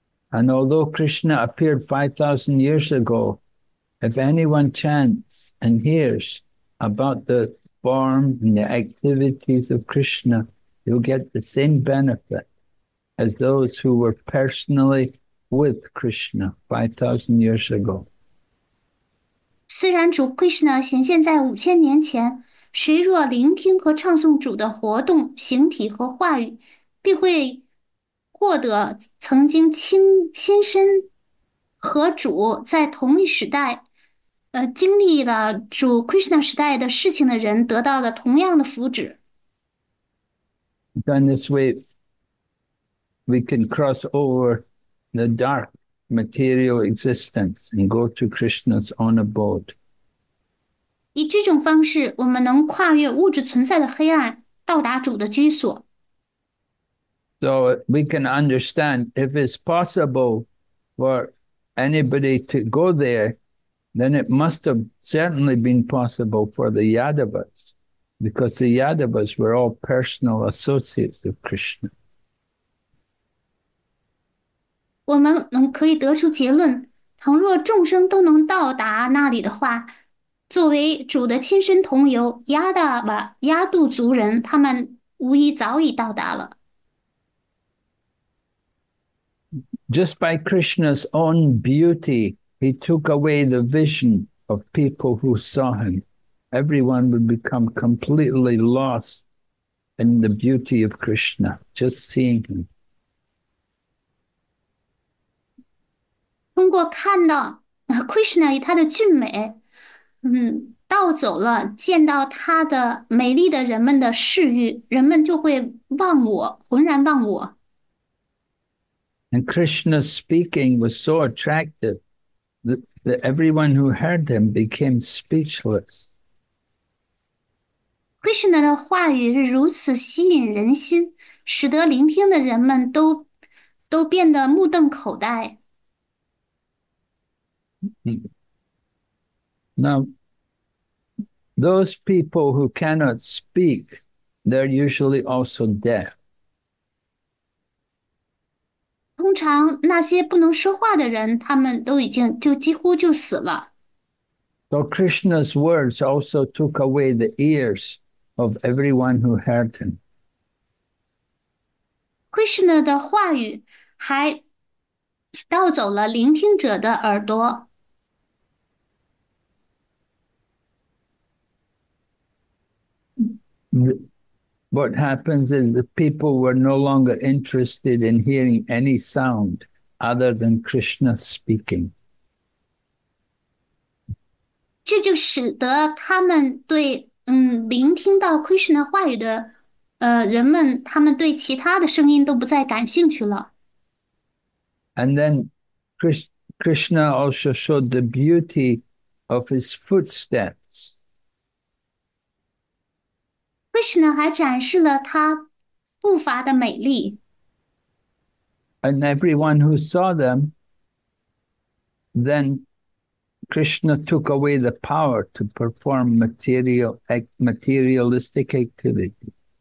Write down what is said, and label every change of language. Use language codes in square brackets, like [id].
[en] And although Krishna appeared 5,000 years ago, if anyone chants and hears about the form and the activities of Krishna, you'll get the same benefit as those who were personally with Krishna 5,000 years ago. [zh] 虽然主 Krishna 显现在5000年前。谁若聆听和唱诵主的活动、形体和话语，必会获得曾经亲身和主在同一时代，经历了主 Krishna 时代的事情的人，得到了同样的福祉。 [en] Done this way, we can cross over the dark material existence and go to Krishna's own abode. [zh] 以这种方式，我们能跨越物质存在的黑暗，到达主的居所。 [en] So we can understand if it's possible for anybody to go there, then it must have certainly been possible for the Yadavas, because the Yadavas were all personal associates of Krishna. [zh] 我们能可以得出结论。倘若众生都能到达那里的话，作为主的亲身同游，亚度族人，他们无疑早已到达了。 [en] Just by Krishna's own beauty, he took away the vision of people who saw him. Everyone would become completely lost in the beauty of Krishna, just seeing him. [zh] 通过看到Krishna 与他的俊美，盗走了见到他的美丽的人们的视欲，人们就会忘我，浑然忘我。 [en] And Krishna's speaking was so attractive that everyone who heard him became speechless. [zh] Krishna 的话语如此吸引人心，使得聆听的人们都变得目瞪口呆。 [en] Now, those people who cannot speak, they're usually also deaf. [zh] 通常那些不能说话的人，他们都已经就几乎就死了。 [en] So Krishna's words also took away the ears of everyone who heard him. [zh] Krishna 的话语还盗走了聆听者的耳朵。 [en] What happens is the people were no longer interested in hearing any sound other than Krishna speaking. [zh] 这就使得他们对聆听到 Krishna 话语的人们，他们对其他的声音都不再感兴趣了。 [en] And then Krishna also showed the beauty of his footsteps. [zh] Krishna 还展示了他步伐的美丽。 [en] And everyone who saw them, then Krishna took away the power to perform materialistic activity.